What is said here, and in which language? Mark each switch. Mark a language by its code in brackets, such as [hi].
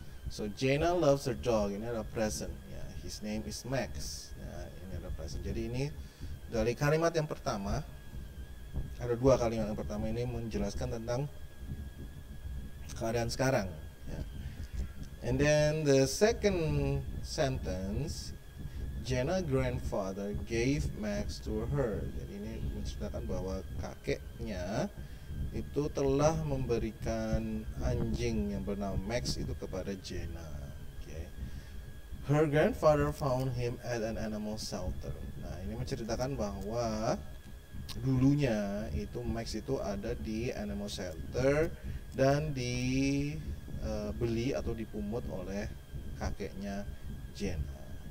[en] So Jenna loves her dog. Ini adalah present. Ya, yeah. His name is Max. [id] Ya, yeah, ini adalah present. Jadi ini dari kalimat yang pertama, ada dua kalimat yang pertama ini menjelaskan tentang keadaan sekarang. [en] Yeah. And then the second sentence, Jenna's grandfather gave Max to her. [id] Jadi ini menceritakan bahwa kakeknya itu telah memberikan anjing yang bernama Max itu kepada Jenna. Okay. Her grandfather found him at an animal shelter. Nah, ini menceritakan bahwa dulunya itu Max itu ada di animal shelter dan dibeli atau dipungut oleh kakeknya Jenna.